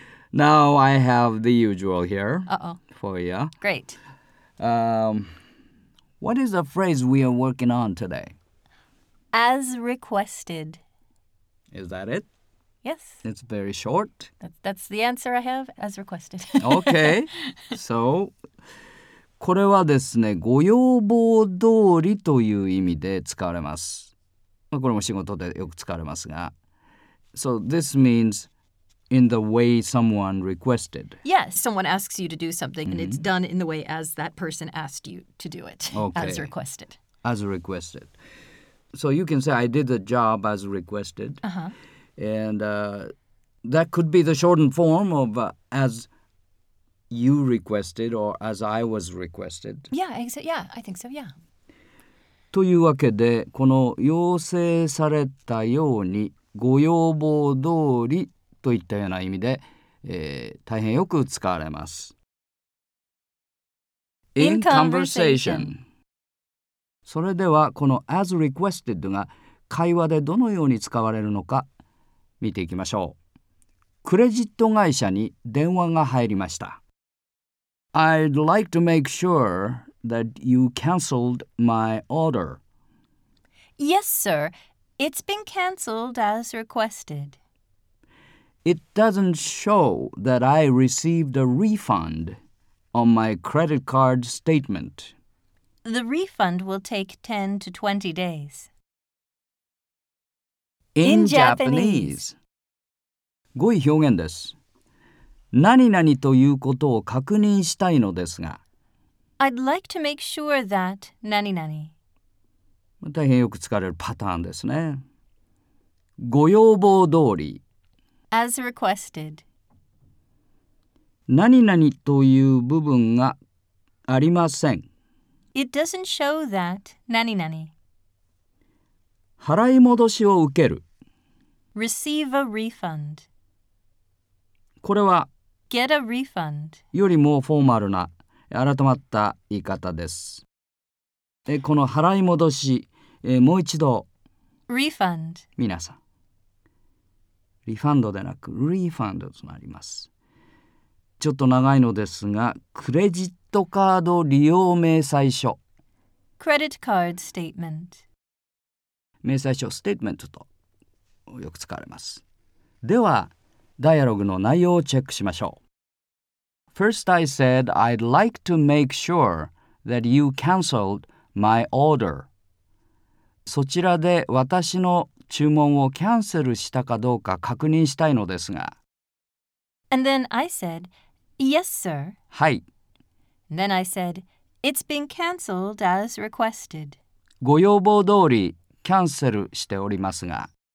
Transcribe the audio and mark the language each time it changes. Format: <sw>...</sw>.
<en>Now I have the usual here. Uh-oh. For you. Great. What is the phrase we are working on today? As requested. Is that it? Yes. It's very short. That's the answer I have, as requested. Okay.</en> <ja>So, これはですね、ご要望通りという意味で使われます。まあ、これも仕事でよく使われますが。</ja> <en>So, this means... In the way someone requested. Yes, someone asks you to do something, and it's done in the way as that person asked you to do it, okay. As requested. As requested. So you can say, I did the job as requested. Uh-huh. And that could be the shortened form of as you requested or as I was requested. Yeah, I think so.</en> <ja>というわけで、この要請されたようにご要望通りといったような意味で、大変よく使われます。</ja> <en>In conversation。</en> <ja>それではこの</ja> <en>as requested</en> <ja>が会話でどのように使われるのか見ていきましょう。クレジット会社に電話が入りました。</ja> <en>I'd like to make sure that you canceled my order. Yes, sir. It's been canceled as requested. It doesn't show that I received a refund on my credit card statement. The refund will take 10 to 20 days. In Japanese.</en> <ja>ごい表現です。何々ということを確認したいのですが。</ja> <en>I'd like to make sure that</en> <ja>何々。大変よく使われるパターンですね。ご要望通り。</ja> <en>As requested.</en> <ja>何々という部分がありません。</ja> <en>It doesn't show that</en> <ja>何々。払い戻しを受ける。</ja> <en>Receive a refund.</en> <ja>これは、</ja> <en>Get a refund.</en> <ja>よりもフォーマルな、改まった言い方です。この払い戻し、もう一度。</ja> <en>Refund.</en> <ja>皆さん。リファンドでなく、リファンドとなります。ちょっと長いのですが、クレジットカード利用明細書。</ja> <en>Credit card statement.</en> <ja>明細書、ステートメントとよく使われます。では、ダイアログの内容をチェックしましょう。</ja> <en>First, I said I'd like to make sure that you canceled my order.</en> <ja>そちらで私の注文をキャンセルしたかどうか確認したいのですが。</ja> <en>And then I said, yes, sir.</en> <ja>はい。</ja> <en>Then I said, it's been cancelled as requested.</en> <ja>ご要望通りキャンセルしておりますが。</ja>